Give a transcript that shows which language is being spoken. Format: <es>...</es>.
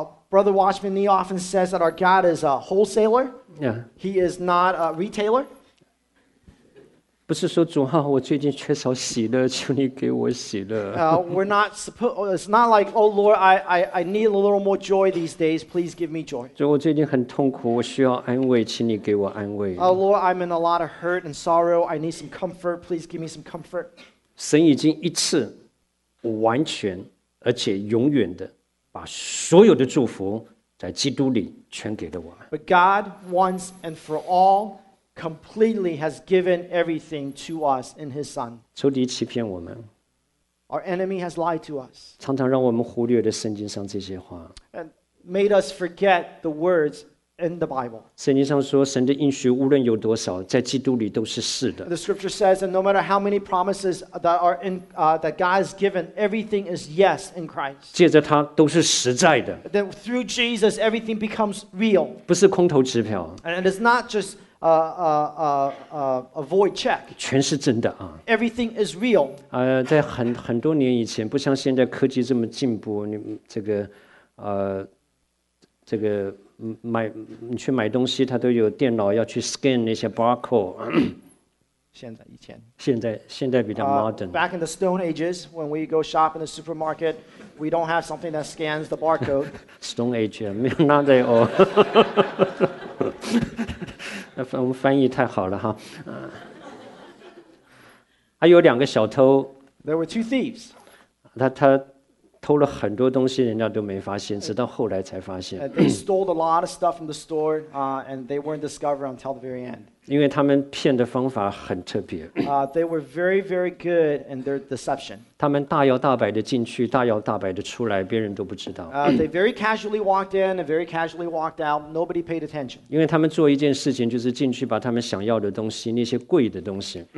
<en>Brother Watchman Nee often says that our God is a wholesaler. Yeah. He is not a retailer.</en> <zh>不是说主啊，我最近缺少喜乐，求你给我喜乐。</zh> <en>It's not like, oh Lord, I need a little more joy these days. Please give me joy.</en> <zh>主，我最近很痛苦，我需要安慰，请你给我安慰。</zh> <en>Oh Lord, I'm in a lot of hurt and sorrow. I need some comfort. Please give me some comfort.</en> <zh>神已经一次完全而且永远的把所有的祝福在基督里全给了我们。</zh> <en>But God once and for all completely has given everything to us in his son.</en> <zh>仇敌欺骗我们。</zh> <en>Our enemy has lied to us.</en> <zh>常常让我们忽略了圣经上这些话。</zh> <en>And made us forget the words in the Bible.</en> <zh>圣经上说神的应许无论有多少在基督里都是是的。</zh> <en>The scripture says that no matter how many promises that, are in, that God has given, everything is yes in Christ.</en> <zh>借着他都是实在的。</zh> <en>That through Jesus, everything becomes real.</en> <zh>不是空头支票。</zh> <en>And it's not just a void check.</en> <zh>全是真的啊。</zh> <en>Everything is real.</en> <zh>在 很多年以前不像现在科技这么进步你这个这个买你去买东西他都有电脑要去 scan 那些 barcode 现在以前现在比较 modern</zh> <en>back in the stone ages when we go shop in the supermarket we don't have something that scans the barcode stone age</en> <zh>没有那代哦那我们翻译太好了哈还有两个小偷</zh> <en>there were two thieves</en> <zh>他偷了很多东西人家都没发现直到后来才发现</zh> <en>They stole a lot of stuff from the store and they weren't discovered until the very end</en> <zh>因为他们骗的方法很特别</zh> <en>They were very very good in their deception</en> <zh>他们大摇大摆的进去大摇大摆的出来别人都不知道</zh> <en>They very casually walked in and very casually walked out Nobody paid attention</en> <zh>因为他们做一件事情就是进去把他们想要的东西那些贵的东西</zh>